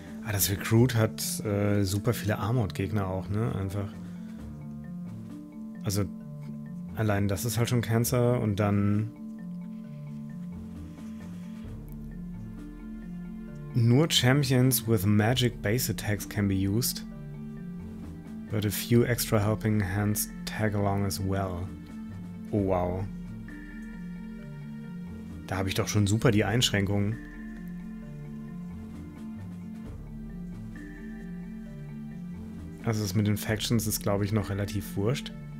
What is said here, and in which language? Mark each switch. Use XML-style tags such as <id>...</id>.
<de>Das Recruit hat super viele Armored-Gegner auch, ne? Einfach. Also, allein das ist halt schon Cancer und dann.</de> <en>Nur Champions with magic base attacks can be used. But a few extra helping hands tag along as well. Oh wow.</en> <de>Da habe ich doch schon super die Einschränkungen. Also das mit den Factions ist, glaube ich, noch relativ wurscht.</de>